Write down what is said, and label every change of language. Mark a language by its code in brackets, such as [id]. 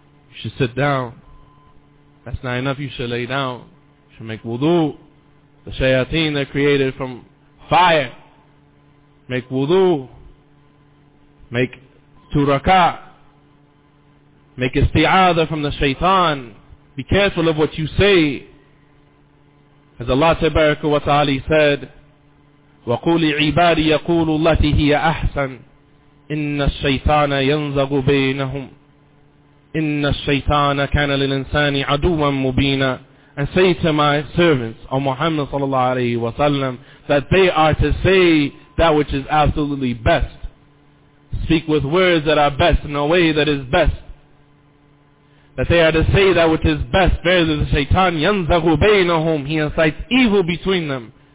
[en] You should sit down. That's not enough, you should lay down. You should make wudu. The shayateen they're created from fire. Make wudu. Make turaka. Make isti'adha from the shaitan. Be careful of what you say. As Allah tabaraka wa ta'ala said, [ar] وَقُولِ عِبَادِي يَقُولُ اللَّتِ هِيَ أَحْسَنُ إِنَّ الشَّيْطَانَ يَنْزَغُ بَيْنَهُمْ إِنَّ الشَّيْطَانَ كَانَ لِلْإِنسَانِ عَدُوًا مُبِينًا. [en] And say to my servants, O Muhammad sallallahu alayhi wa sallam, that they are to say that which is absolutely best. Speak with words that are best in a way that is best. That they are to say that which is best. Verily the shaitan yanzaghu baynahum. He incites evil between them.